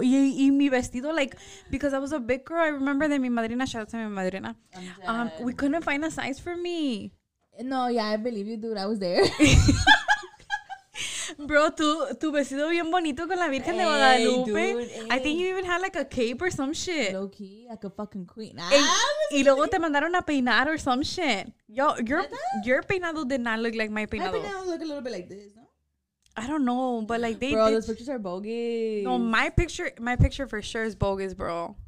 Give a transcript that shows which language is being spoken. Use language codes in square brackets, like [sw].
[es] Y mi vestido, [en] like, because I was a big girl. I remember that mi madrina, shout out to mi madrina. We couldn't find a size for me. No, yeah, I believe you, dude. I was there. [es] Bro, tu vestido bien bonito con la Virgen de Guadalupe. [en] Dude, I think you even had, like, a cape or some shit. Low key, like a fucking queen. [es] Y luego te mandaron a peinar [en] or some shit. Yo, your peinado did not look like my peinado. My peinado look a little bit like this, no? I don't know, but like they. Bro, those pictures are bogus. No, my picture for sure is bogus, bro.